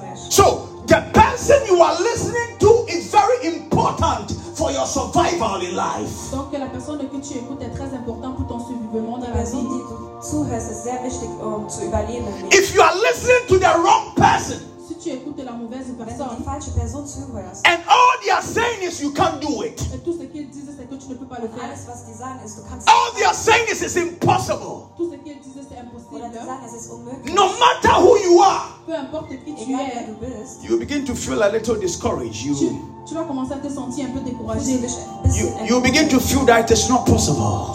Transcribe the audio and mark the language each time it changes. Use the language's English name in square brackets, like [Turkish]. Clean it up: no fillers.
[English] So, the person you are listening to is very important for your survival in life. [French] Donc la personne que tu écoutes est très important pour ton survivement dans la vie. [German] Die du zuhörst, ist sehr wichtig, um zu überleben. [English] If you are listening to the wrong person, [French] si tu écoutes la mauvaise personne, [German] wenn du die falsche Person zuhörst, [English] and all they are saying is you can't do it. [French] Et tout ce qu'ils disent, c'est que tu ne peux pas le faire. [German] Alles, was die sagen, ist, du kannst. [English] All they are saying is it's impossible. [French] Tout ce qu'ils disent, c'est impossible. [German] Oder die sagen, es ist unmöglich. [English] No matter who you are, [French] peu importe qui tu es, [German] du bist, [English] you begin to feel a little discouraged. You. [French] Tu vas commencer à te sentir un peu découragé. [English] You begin to feel that it's not possible.